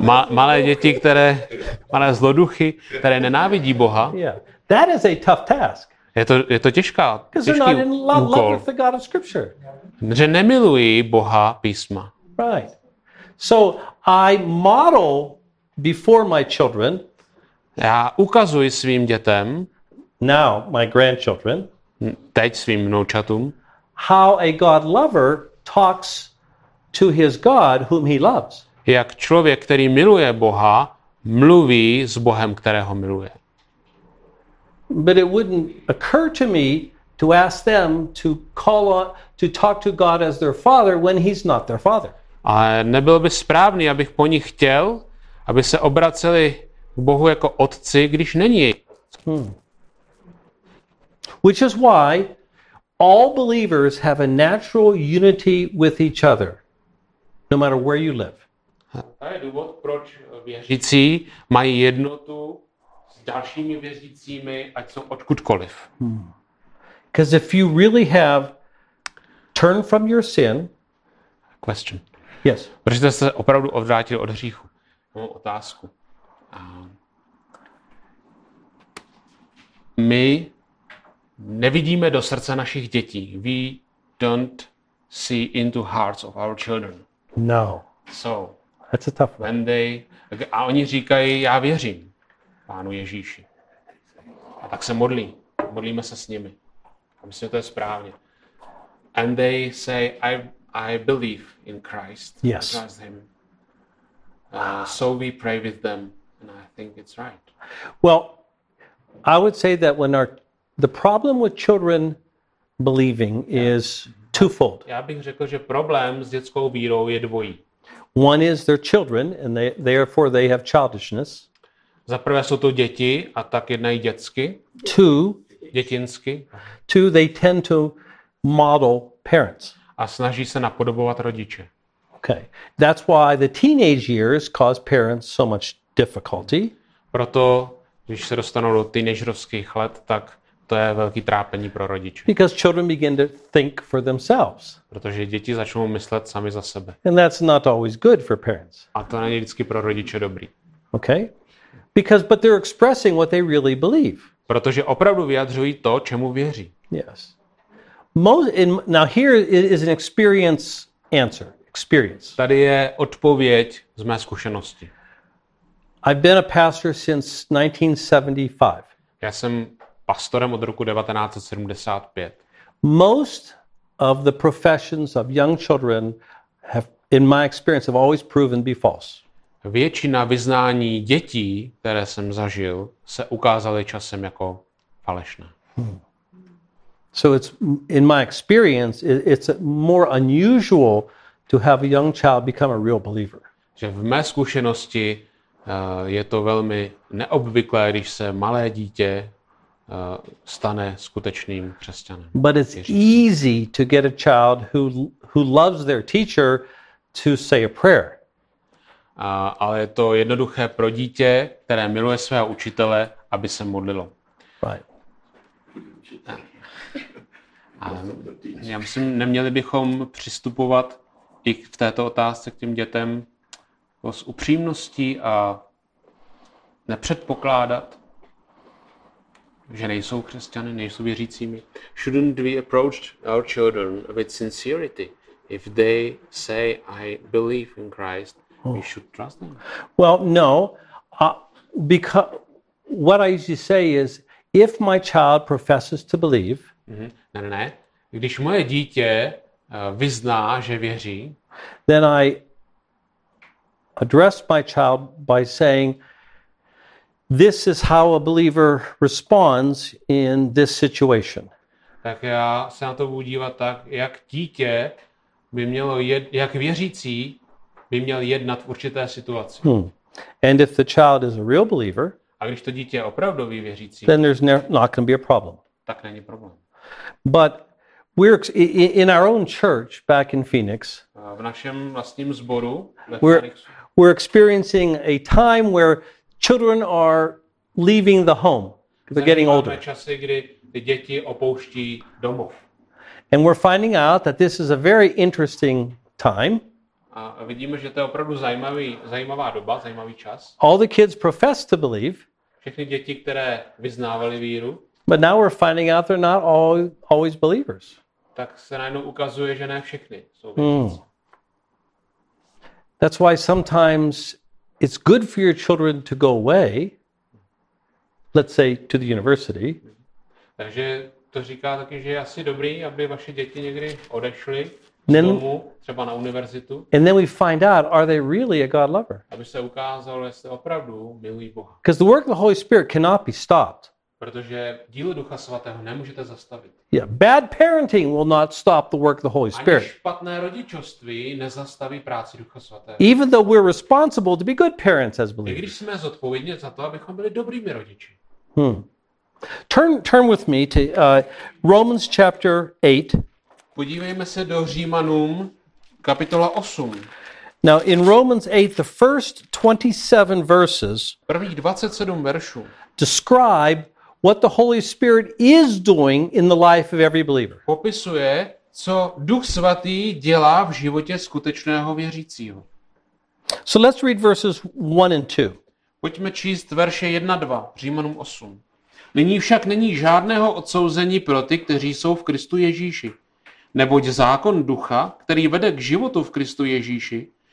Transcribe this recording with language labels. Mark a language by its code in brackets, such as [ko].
[cs] malé děti, které malé zloduchy, které nenávidí Boha. [en] Yeah. That is a tough task. [cs] Je to těžká. [en] Because they're not in love with the God of Scripture. [cs] Že nemilují Boha písma. [en] Right. So I model before my children. [cs] Já ukazuji svým dětem. [en] Now my grandchildren. [cs] Teď svým vnoučatům. [en] How a God lover talks to his God whom he loves. [cs] Jak člověk, který miluje Boha, mluví s Bohem, kterého miluje. [en] But it wouldn't occur to me to ask them to call on, to talk to God as their father when he's not their father. [cs] A nebylo by správný, abych po nich chtěl, aby se obraceli k Bohu jako otci, když není. [en] Which is why all believers have a natural unity with each other, no matter where you live. [cs] To je důvod, proč věřící mají jednotu s dalšími věřícími, ať jsou odkudkoliv. [en] Because if you really have turned from your sin, question. Yes. [cs] Proč jste se opravdu odvrátili od hříchu? Mám otázku. My nevidíme do srdce našich dětí. [en] We don't see into hearts of our children. No. So, That's a tough one. Vendej. [cs] A oni říkají, já věřím Pánu Ježíši. A tak se modlí. Modlíme se s nimi. A myslím, že to je správně. [en] And they say, I believe in Christ. Yes. Trust him. So we pray with them. And I think it's right. Well, I would say that when the problem with children believing is twofold. [cs] Já bych řekl, že problém s dětskou vírou je dvojí. [en] One is they're children and therefore they have childishness. [cs] Za prvé jsou to děti a tak jednají dětsky. [en] Two, [cs] dětinsky. [en] Two, they tend to model parents. [cs] A snaží se napodobovat rodiče. [en] Okay. That's why the teenage years cause parents so much difficulty. [cs] Proto když se dostanou do teenagerovských let, tak to je velký trápení pro rodiče. [en] Because children begin to think for themselves. [cs] Protože děti začnou myslet sami za sebe. [en] And that's not always good for parents. [cs] A to není vždycky pro rodiče dobrý. [en] Okay? But they're expressing what they really believe. [cs] Protože opravdu vyjadřují to, čemu věří. [en] Yes. Now here is an experience answer. Experience. [cs] Tady je odpověď z mé zkušenosti. [en] I've been a pastor since 1975. [cs] Já jsem pastorem od roku 1975. [en] Most of the professions of young children have, in my experience, have always proven to be false. [cs] Většina vyznání dětí, které jsem zažil, se ukázaly časem jako falešné. [en] So it's in my experience, it's more unusual to have a young child become a real believer. [cs] Že v mé zkušenosti je to velmi neobvyklé, když se malé dítě stane skutečným křesťanem. [en] But it's easy to get a child who loves their teacher to say a prayer. [cs] Ale je to jednoduché pro dítě, které miluje svého učitele, aby se modlilo. [en] Right. [cs] Já myslím, neměli bychom přistupovat i v této otázce k těm dětem s upřímností a nepředpokládat, že nejsou křesťany, nejsou věřícími. [en] Shouldn't we approach our children with sincerity? If they say, I believe in Christ, we should trust them? Well, no. Because what I usually say is, if my child professes to believe, [cs] Ne. Když moje dítě vyzná, že věří, [en] then I address my child by saying, this is how a believer responds in this situation. [cs] Tak já se na to budu dívat tak, jak dítě by mělo jak věřící by měl jednat v určité situaci. [en] And if the child is a real believer, [cs] a když to dítě je opravdový věřící, [en] then there's not going to be a problem. [cs] Tak není problém. [en] But we're in our own church back in Phoenix. [cs] V našem vlastním sboru [en] we're experiencing a time where children are leaving the home. They're getting older. [cs] Časy, kdy ty děti opouští domov. [en] And we're finding out that this is a very interesting time. [cs] A vidíme, že to je opravdu zajímavá doba, zajímavý čas. [en] All the kids profess to believe. [cs] Všechny děti, které vyznávali víru. [en] But now we're finding out they're not always believers. [cs] Tak se najednou ukazuje, že ne všechny jsou [en] That's why sometimes it's good for your children to go away, let's say to the university. [cs] Takže to říká taky, že je asi dobrý, aby vaše děti někdy odešly z domu, třeba na univerzitu. [en] And then we find out, are they really a God lover? [cs] Aby se ukázalo, jestli opravdu milují Boha. [en] Because the work of the Holy Spirit cannot be stopped. [cs] Protože dílo Ducha Svatého nemůžete zastavit. [en] Yeah, bad parenting will not stop the work of the Holy Spirit. [cs] Ani špatné rodičovství nezastaví práci Ducha Svatého. [en] Even though we're responsible to be good parents as believers. [cs] I když jsme zodpovědní za to, abychom byli dobrými rodiči. [en] Turn with me to Romans chapter 8. [cs] Podívejme se do Římanům kapitola 8. [en] Now in Romans 8 the first 27 verses. [cs] Prvních 27 veršů. [en] Describe what the Holy Spirit is doing in the life of every believer. [cs] Popisuje, co Duch Svatý dělá v životě skutečného věřícího. [en] So let's read verses 1 and 2. [cs] Pojďme číst verše 1 a 2, Římanům 8. Nyní však není žádného odsouzení pro ty, kteří jsou v Kristu Ježíši. Neboť zákon Ducha, který vede k životu v Kristu Ježíši,